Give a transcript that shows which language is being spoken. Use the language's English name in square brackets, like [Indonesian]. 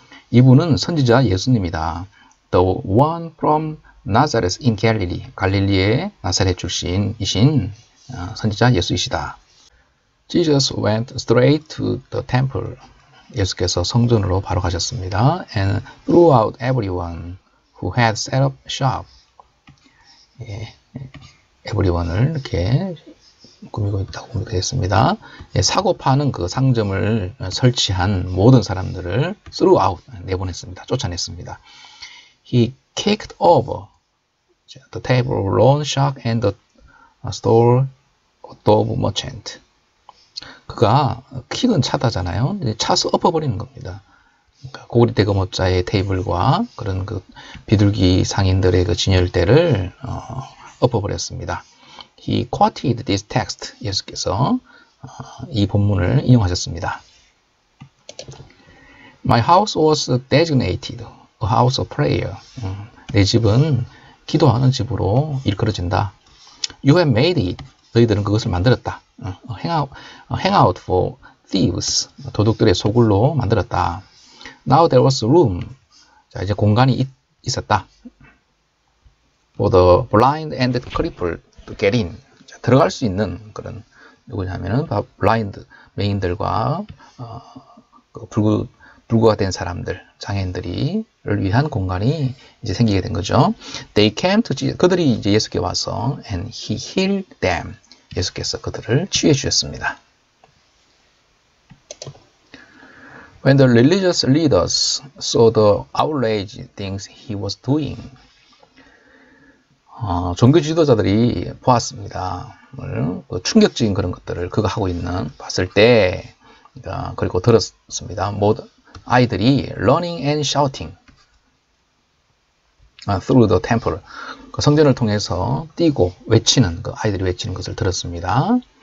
[Korean] 이분은 선지자 예수님이다. [English] The one from Nazareth in Galilee. [Korean] 갈릴리의 나사렛 출신이신 선지자 예수이시다. [English] Jesus went straight to the temple. [Korean] 예수께서 성전으로 바로 가셨습니다. [English] And threw out everyone who had set up shop. [Korean] 예, everyone을 이렇게 꾸미고 있다고 보면 되겠습니다. 예, 사고 파는 그 상점을 설치한 모든 사람들을 [English] threw out, [Korean] 내보냈습니다. 쫓아냈습니다. [English] He kicked over the table of loan shark and the store of merchant. [Korean] 그가 킥은 차다잖아요. 차서 엎어버리는 겁니다. 그러니까 고구리 대금업자의 테이블과 그런 그 비둘기 상인들의 그 진열대를 엎어버렸습니다. [English] He quoted this text. [Korean] 예수께서 이 본문을 인용하셨습니다. [English] My house was designated a house of prayer. [Korean] 내 집은 기도하는 집으로 일컬어진다. [English] You have made it. [Korean] 너희들은 그것을 만들었다. [English] Hangout for thieves. [Korean] 도둑들의 소굴로 만들었다. [English] Now there was room. [Korean] 자, 이제 공간이 있었다. [English] For the blind and the crippled to get in. [Korean] 자, 들어갈 수 있는 그런 누구냐면은 blind 맹인들과 불구가 된 사람들, 장애인들을 위한 공간이 이제 생기게 된 거죠. [English] They came to Jesus. [Korean] 그들이 이제 예수께 와서 [English] and he healed them. [Korean] 예수께서 그들을 치유해 주셨습니다. [English] When the religious leaders saw the outrage things he was doing, [Korean] 종교 지도자들이 보았습니다. 그 충격적인 그런 것들을 그가 하고 있는 봤을 때, 그리고 들었습니다. 모든 아이들이 [English] running and shouting through the temple. [Korean] 그 성전을 통해서 뛰고 외치는 그 아이들이 외치는 것을 들었습니다.